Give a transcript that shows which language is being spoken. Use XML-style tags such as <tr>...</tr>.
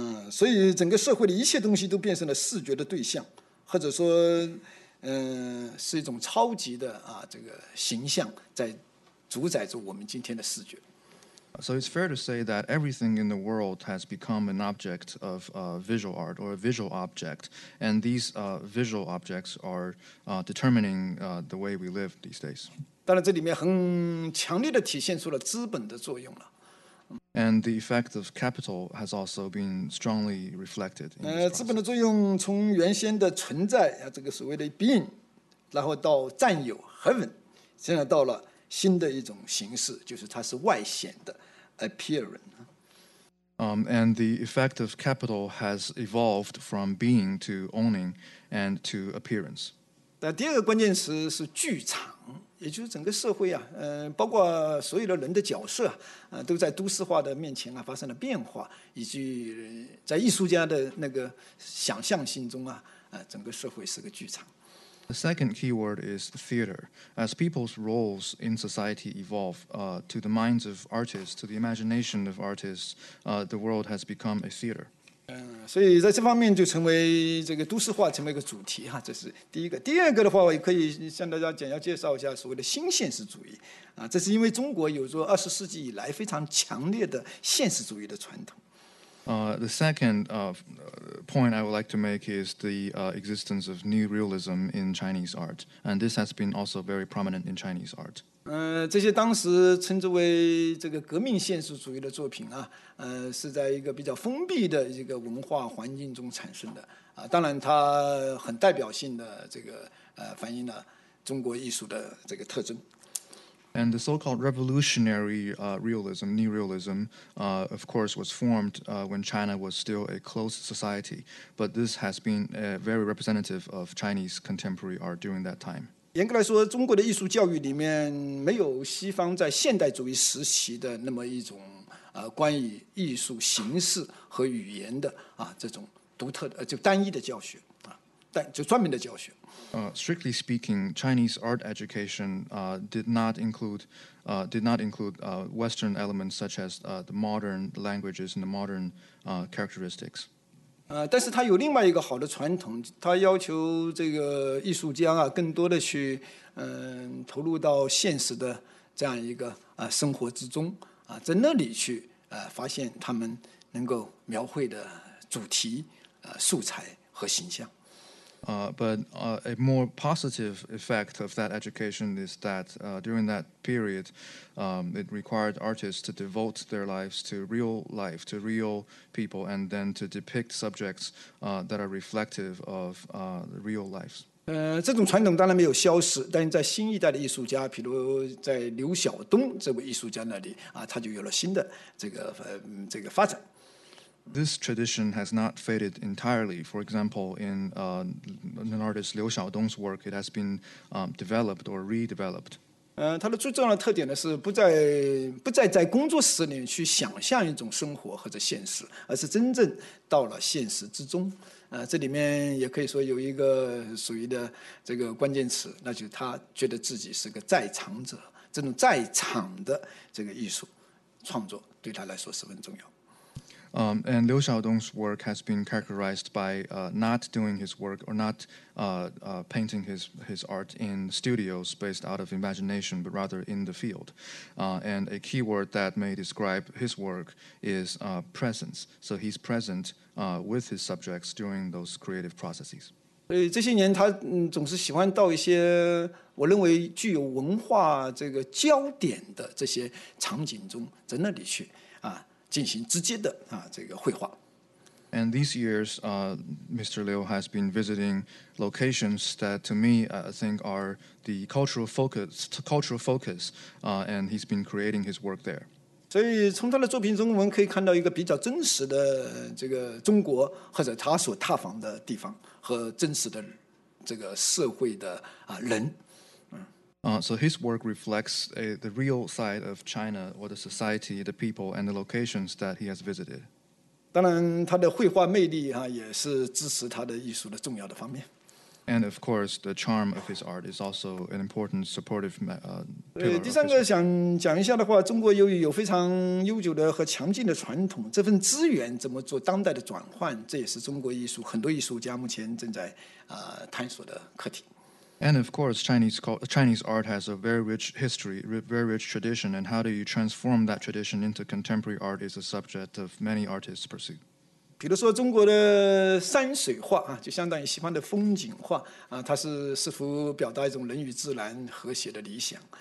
<zh>所以整个社会的一切东西都变成了视觉的对象，或者说，是一种超级的这个形象在主宰着我们今天的视觉。</zh> <en>So it's fair to say that everything in the world has become an object of visual art or a visual object, and these visual objects are determining the way we live these days.</en> <zh>当然，这里面很强烈地体现出了资本的作用了。</zh> <en>And the effect of capital has also been strongly reflected.</en> <zh>资本的作用从原先的存在啊，这个所谓的 being， 然后到占有 heaven， 现在到了。新的一种形式就是它是外显的 appearance.</zh> <en>And the effect of capital has evolved from being to owning and to appearance.</en> <zh>第二个关键词是剧场，也就是整个社会啊，包括所有的人的角色啊，都在都市化的面前啊发生了变化，以及在艺术家的那个想象性中啊，整个社会是个剧场。</zh> <en>The second keyword is theater. As people's roles in society evolve, to the minds of artists, to the imagination of artists, the world has become a theater.</en> <zh>所以在这方面就成为这个都市化成为一个主题哈，这是第一个。第二个的话，我也可以向大家简要介绍一下所谓的新现实主义啊，这是因为中国有着二十世纪以来非常强烈的现实主义的传统。</zh> <en>The second point I would like to make is the existence of new realism in Chinese art, and this has been also very prominent in Chinese art.</en> <zh>这些当时称之为这个革命现实主义的作品啊，是在一个比较封闭的一个文化环境中产生的啊。当然，它很代表性的这个反映了中国艺术的这个特征。</zh> <en>And the so-called revolutionary realism, new realism, of course, was formed when China was still a closed society. But this has been very representative of Chinese contemporary art during that time.</en> <zh>严格来说，中国的艺术教育里面没有西方在现代主义时期的那么一种关于艺术形式和语言的这种独特的就单一的教学。就专门的教学。</zh> <en>Strictly speaking, Chinese art education did not include Western elements such as the modern languages and the modern characteristics.</en> <zh>但是它有另外一个好的传统，它要求这个艺术家啊，更多的去投入到现实的这样一个生活之中啊，在那里去发现他们能够描绘的主题、素材和形象。</zh> <en>But a more positive effect of that education is that during that period, it required artists to devote their lives to real life, to real people, and then to depict subjects that are reflective of real lives.</en> <zh>这种传统当然没有消失，但是在新一代的艺术家，比如在刘晓东这位艺术家那里他就有了新的这个发展。</zh> <en>This tradition has not faded entirely. For example, in an artist Liu Xiaodong's work, it has been developed or redeveloped.</en> <zh>它的最重要的特点呢是不再在工作室里去想象一种生活或者现实，而是真正到了现实之中。这里面也可以说有一个属于的这个关键词，那就是他觉得自己是个在场者，这种在场的这个艺术创作对他来说十分重要。</zh> <en>And Liu Xiaodong's work has been characterized by not doing his work or not painting his art in studios based out of imagination, but rather in the field. And a key word that may describe his work is presence. So he's present with his subjects during those creative processes.</en> <zh>这些年他总是喜欢到一些我认为具有文化这个焦点的这些场景中，在那里去进行直接的这个绘画。</zh> <en>And these years, Mr. Liu has been visiting locations that, to me, I think are the cultural focus, and he's been creating his work there.</en> <zh>所以从他的作品中，我们可以看到一个比较真实的这个中国，或者他所踏访的地方和真实的这个社会的人。</zh> <en>So his work reflects the real side of China, or the society, the people, and the locations that he has visited.</en> <zh>当然，他的绘画魅力也是支持他的艺术的重要的方面。</zh> <en>And of course, the charm of his art is also an important supportive pillar.</en> <zh>第三个想讲一下的话，中国由于有非常悠久的和强劲的传统，这份资源怎么做当代的转换，这也是中国艺术很多艺术家目前正在探索的课题。</zh> <en>And of course, Chinese art has a very rich history, very rich tradition, and how do you transform that tradition into contemporary art is a subject of many artists' pursuit.</en> <zh>比如说中国的山水画就相当于西方的风景画它是似乎表达一种人与自然和谐的理想。</zh>